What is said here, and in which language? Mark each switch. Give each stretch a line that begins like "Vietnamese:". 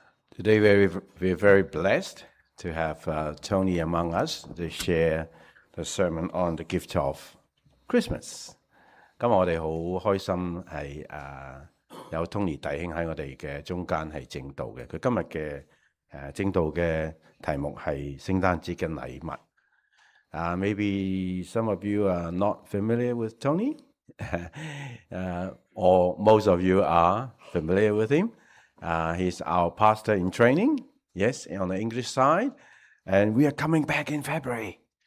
English: Today we're very blessed to have Tony among us to share the sermon on the gift of Christmas.
Cantonese: 今日我哋好开心系有 Tony 弟兄喺我哋嘅中间系正道嘅。佢今日嘅正道嘅题目系圣诞节嘅礼物。
English: Maybe some of you are not familiar with Tony, or most of you are familiar with him. He's our pastor in training, yes, on the English side, and we are coming back in February.